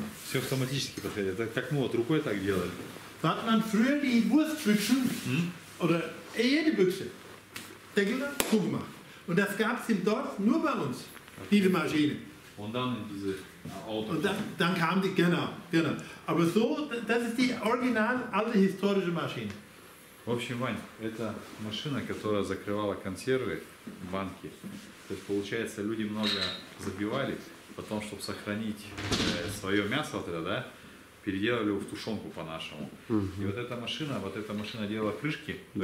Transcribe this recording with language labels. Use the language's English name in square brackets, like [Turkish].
[Russian] Все автоматически подходит. Так, ну вот, рукой так делали. [German] Hat man früher die Wurstbüchsen, oder eher die Büchse, Deckel da, zugemacht. Und das gab es im Dorf nur bei uns, diese Maschine. Und dann diese Auto. Und dann kam die, genau. Aber so, das ist die original alte historische Maschine. [Russian] В общем, Вань, это машина, которая закрывала консервы, банки. То есть, получается, люди много забивали, потом, чтобы сохранить свое мясо тогда, да? Переделали его в тушенку по-нашему. Угу. И вот эта машина делала крышки, да.